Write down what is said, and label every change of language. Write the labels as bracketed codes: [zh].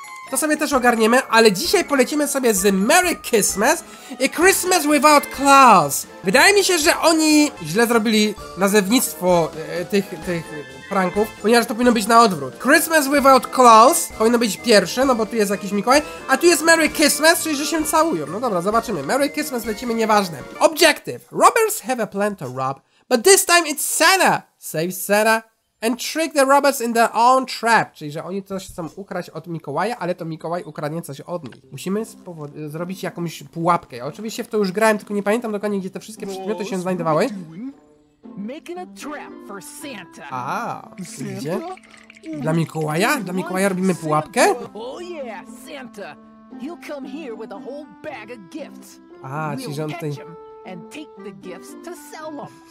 [pl] To sobie też ogarniemy, ale dzisiaj polecimy sobie z Merry Christmas i Christmas Without Claus. Wydaje mi się, że oni źle zrobili nazewnictwo tych pranków, ponieważ to powinno być na odwrót. Christmas Without Claus powinno być pierwsze, no bo tu jest jakiś Mikołaj, a tu jest Merry Christmas, czyli że się całują. No dobra, zobaczymy. Merry Christmas, lecimy, nieważne. [en] Objective. Robbers have a plan to rob, but this time it's Santa. Save Santa and trick the robbers in their own trap. [pl] Czyli że oni coś chcą ukraść od Mikołaja, ale to Mikołaj ukradnie coś od nich. Musimy zrobić jakąś pułapkę. Ja oczywiście w to już grałem, tylko nie pamiętam dokładnie, gdzie te wszystkie przedmioty się znajdowały. [en] Making a trap for Santa. [pl] A, gdzie? Dla Mikołaja? Dla Mikołaja robimy pułapkę? [en] Oh yeah, Santa. He'll come here with a whole bag of gifts. [pl] A, czyli że on tutaj... [en] and take the gifts to sell them.